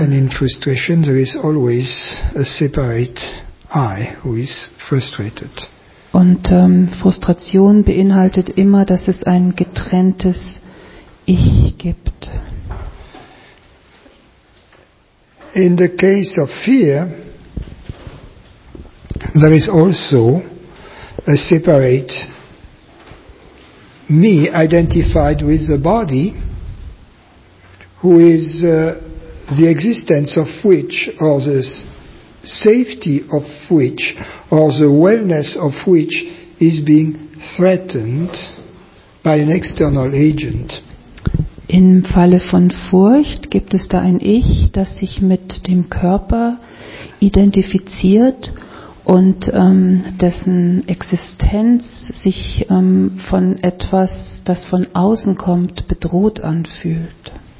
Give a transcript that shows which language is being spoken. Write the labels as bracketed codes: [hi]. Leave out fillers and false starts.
[en] And in frustration there is always a separate I who is frustrated. [de] Und Frustration beinhaltet immer, dass es ein getrenntes Ich gibt. [en] In the case of fear, there is also a separate me identified with the body, who is the existence of which, or the safety of which, or the wellness of which is being threatened by an external agent. [de] Im Falle von Furcht gibt es da ein Ich, das sich mit dem Körper identifiziert und dessen Existenz sich von etwas, das von außen kommt, bedroht anfühlt.